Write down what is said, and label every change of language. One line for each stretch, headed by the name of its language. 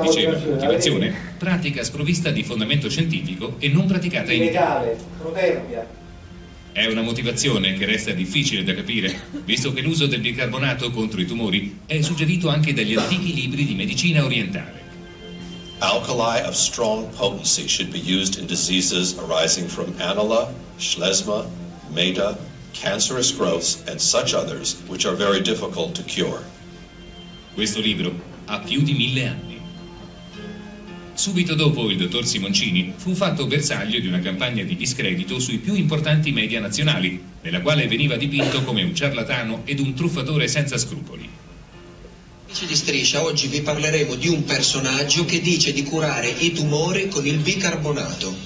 Italian: Diceva, motivazione, pratica sprovvista di fondamento scientifico e non praticata in Italia. Illegale, proverbia. È una motivazione che resta difficile da capire, visto che l'uso del bicarbonato contro i tumori è suggerito anche dagli antichi libri di medicina orientale.
English: Alkali of strong potency should be used in diseases arising from anola, schlesma, meda, cancerous growths, and such others which are very difficult to cure.
Italian: Questo libro ha più di 1000 anni. Subito dopo, il dottor Simoncini fu fatto bersaglio di una campagna di discredito sui più importanti media nazionali, nella quale veniva dipinto come un ciarlatano ed un truffatore senza scrupoli. Amici di Striscia, oggi vi parleremo di un personaggio che dice di curare i tumori con il bicarbonato.